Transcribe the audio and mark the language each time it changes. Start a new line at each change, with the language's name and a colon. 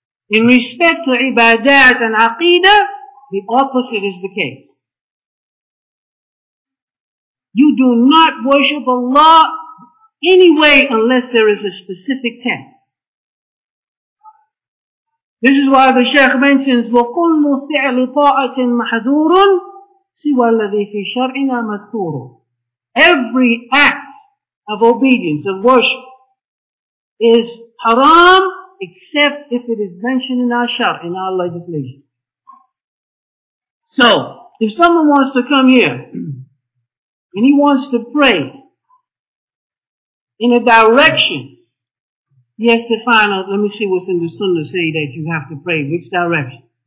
English: In respect to ibadat and aqidah, the opposite is the case. You do not worship Allah anyway unless there is a specific text. This is why the Shaykh mentions,
Arabic: وَكُلُّ فِعْلِ طَاعَةٍ مَحَذُورٌ سِوَى الَّذِي فِي شَرْعِنَا مَذْكُورٌ.
English: Every act of obedience, of worship, is haram except if it is mentioned in our shar, in our legislation. So, if someone wants to come here, and he wants to pray in a direction, he has to find out, let me see what's in the sunnah say that you have to pray, which direction.